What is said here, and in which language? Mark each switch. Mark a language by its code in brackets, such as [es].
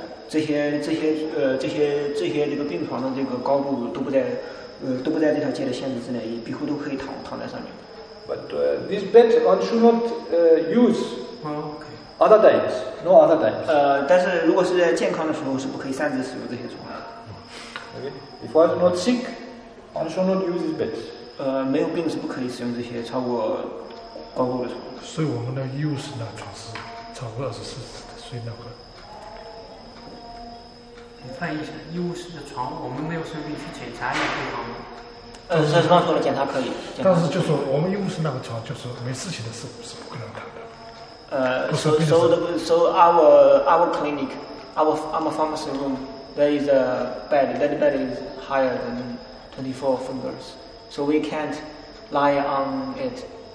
[zh] 这些病床的这个高度都不在这条街的限制之内，庇护都可以躺在上面。 [en] But this bed one should not use. Okay. Other times, no other times. [zh] 但是如果是在健康的时候，是不可以擅自使用这些床的。 [en] Okay. If one is not sick, one should not use this bed. [zh] 没有病是不可以使用这些超过高度的床。所以我们的 use 那床是超过24指的，所以那块。翻译一下，医务室的床，我们没有生病去检查也可以吗？这刚说了检查可以。但是就是说，我们医务室那个床，就是没事情的时候是不可能躺的。 [en] So our clinic, our pharmacy room, there is a bed. That bed is higher than 24 fingers, so we can't lie on it.